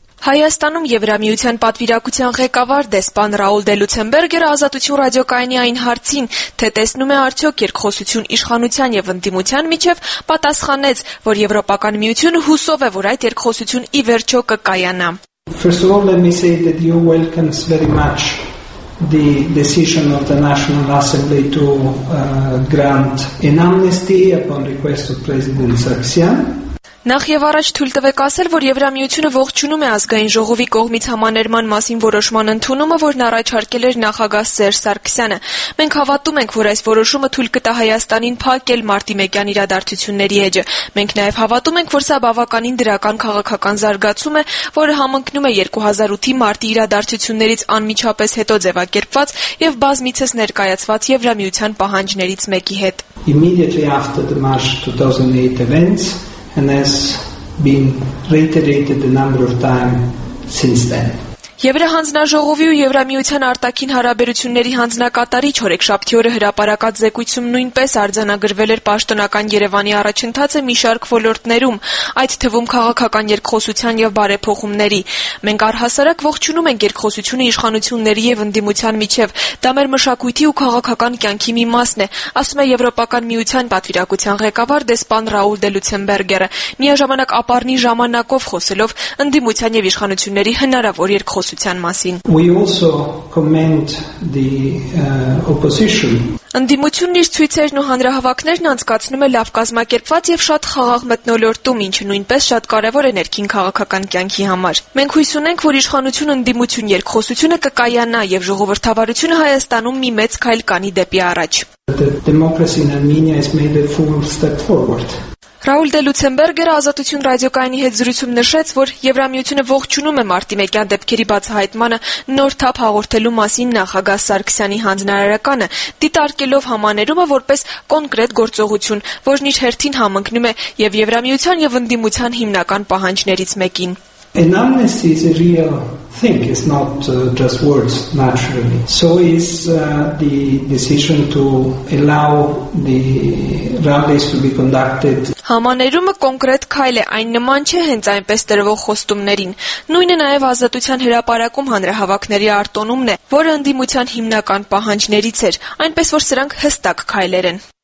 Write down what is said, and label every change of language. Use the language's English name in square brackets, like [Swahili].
[Armenian] Հայաստանում Եվրամիության պատվիրակության ղեկավար դեսպան Ռաուլ Դե Լյուցենբերգերը Ազատություն ռադիոկայանի այն հարցին, թե տեսնում է արդյոք երկխոսություն իշխանության և ընդդիմության միջև, պատասխանեց, որ Եվրոպական միությունը հուսով է, որ այդ երկխոսություն ի վերջո կկայանա։ [English] First of all, let me say that you welcome very much the decision of the National Assembly to grant an amnesty upon request of President Sargsyan. [Armenian] Նախ եւ առաջ թույլ տվեք ասել, որ Եվրամիությունը ողջունում է ազգային ժողովի կողմից համաներման մասին որոշման ընդունումը, որն առաջարկել էր նախագահ Սերժ Սարգսյանը։ Մենք հավատում ենք, որ այս որոշումը թույլ կտա Հայաստանին փակել Մարտի 1-յան իրադարձությունների էջը։ Մենք նաեւ հավատում ենք, որ սա բավականին դրական քաղաքական զարգացում է, որը համընկնում է 2008-ի մարտի իրադարձություններից անմիջապես հետո ձևակերպված եւ բազմիցս ներկայացված Եվրամիության պահանջներից մեկի հետ։ [English] Immediately after the March 2008 events, and has been reiterated a number of times since then. [Armenian] Եվրահանձնաժողովի ու Եվրամիության արտաքին հարաբերությունների հանձնակատարիչ հորեքշաբթի օրը հրապարակած զեկույցում նույնպես արձանագրվել էր պաշտոնական Երևանի առաջընթացը մի շարք ոլորտներում, այդ թվում քաղաքական երկխոսության եւ բարեփոխումների։ Մենք առհասարակ ողջունում ենք երկխոսությունը իշխանությունների եւ ընդդիմության միջև, դա մեր մշակույթի ու քաղաքական կյանքի մի մասն է, ասում է Եվրոպական միության պատվիրակության ղեկավար դեսպան Ռաուլ դե Լյուցենբերգերը, միաժամանակ ապառնի ժամանակով խոսելով ընդդիմության եւ իշխանությունների հնարավոր խոսության մասին։ [English] We also commend the opposition. [Armenian] Ընդդիմությունն իր ցույցերն ու հանրահավաքներն անցկացնում է լավ կազմակերպված եւ շատ խաղաղ մթնոլորտում, ինչը նույնպես շատ կարեւոր է ներքին քաղաքական կյանքի համար։ Մենք հույս ունենք, որ իշխանություն ընդդիմություն երկխոսությունը կկայանա եւ ժողովրդավարությունը Հայաստանում մի մեծ քայլ կանի դեպի առաջ։ [English] The democracy in Armenia has made a full step forward. [Armenian] Ռաուլ դե Լյուցենբերգերը Ազատություն ռադիոկայանի հետ զրույցում նշեց, որ Եվրամիությունը ողջունում է Մարտի 1-յան դեպքերի բացահայտմանը նոր թափ հաղորդելու մասին նախագահ Սարգսյանի հանձնարարականը, դիտարկելով համաներումը որպես կոնկրետ գործողություն, որն իր հերթին համընկնում է եւ Եվրամիության եւ ընդդիմության հիմնական պահանջներից մեկին։ [English] An amnesty is a real thing, it's not just words, naturally. So is the decision to allow the rallies to be conducted. [Armenian] Համաներումը կոնկրետ քայլ է, այն նման չէ հենց այնպես տրվող խոստումներին։ Նույնը նաև ազատության հրապարակում հանրահավաքների արտոնումն է, որը ընդդիմության հիմնական պահանջներից էր, այնպես որ սրանք հստակ քայլեր են։